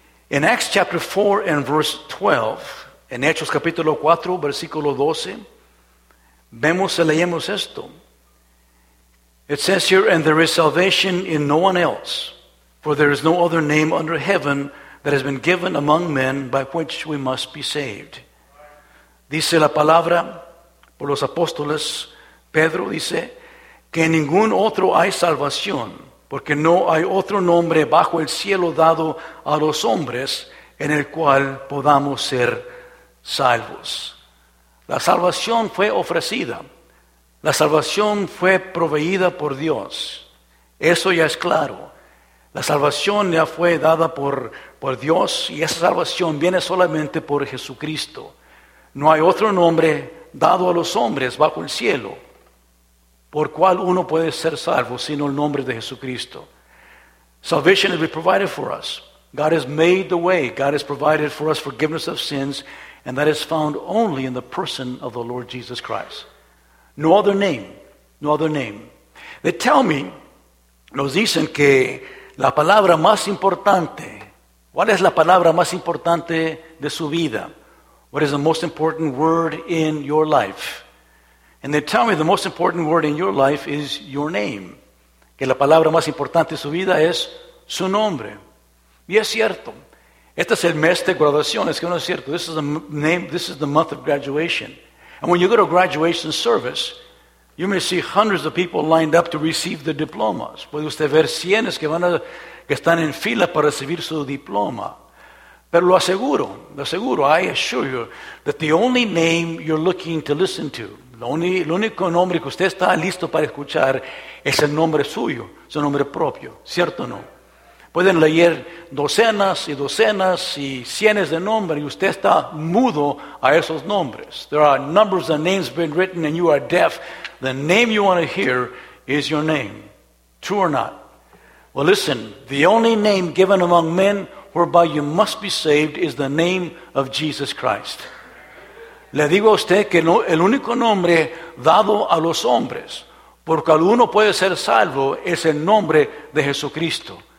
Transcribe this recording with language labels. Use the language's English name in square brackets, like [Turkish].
[English] In Acts chapter 4 and verse 12, [Spanish] en Hechos capítulo 4, versículo 12, vemos y leemos esto. [English] It says here, and there is salvation in no one else, for there is no other name under heaven that has been given among men by which we must be saved. [Spanish] Dice la palabra por los apóstoles, Pedro dice, que en ningún otro hay salvación, porque no hay otro nombre bajo el cielo dado a los hombres en el cual podamos ser salvos. La salvación fue ofrecida. La salvación fue proveída por Dios. Eso ya es claro. La salvación ya fue dada por Dios, y esa salvación viene solamente por Jesucristo. No hay otro nombre dado a los hombres bajo el cielo por cual uno puede ser salvo, sino el nombre de Jesucristo. [English] Salvation has been provided for us. God has made the way. God has provided for us forgiveness of sins, and that is found only in the person of the Lord Jesus Christ. No other name, no other name. They tell me, [Spanish] nos dicen que la palabra más importante, ¿cuál es la palabra más importante de su vida? [English] What is the most important word in your life? And they tell me the most important word in your life is your name. [Spanish] Que la palabra más importante de su vida es su nombre. Y es cierto. Este es el mes de graduación. Es que no es cierto. [English] This is the month of graduation. And when you go to graduation service, you may see hundreds of people lined up to receive the diplomas. [Spanish] Puede usted ver cientos que están en fila para recibir su diploma. Pero lo aseguro, [English] I assure you, that the only name you're looking to listen to, [Spanish] el único nombre que usted está listo para escuchar, es el nombre suyo, su nombre propio, ¿cierto o no? Pueden leer docenas y docenas y cientos de nombres y usted está mudo a esos nombres. [English] There are numbers of names been written and you are deaf. The name you want to hear is your name. True or not? Well, listen, the only name given among men whereby you must be saved is the name of Jesus Christ. [Spanish] Le digo a usted que no, el único nombre dado a los hombres por cual uno puede ser salvo es el nombre de Jesucristo.